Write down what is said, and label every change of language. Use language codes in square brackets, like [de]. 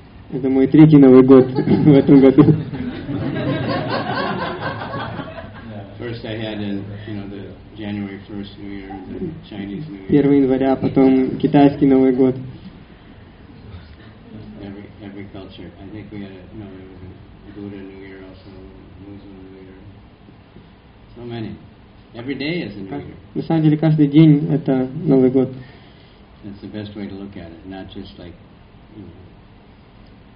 [ru] Это мой третий Новый год в этом году. [en] First I had you know, the January 1st New Year, the Chinese New Year. [ru] 1 января, потом китайский Новый год. [en] Every culture. I think we had Buddha New Year also, Muslim New Year. So many. Every day is a New Year. [ru] На самом деле каждый день это Новый год. [en] That's the best way to look at it, not just like, you know,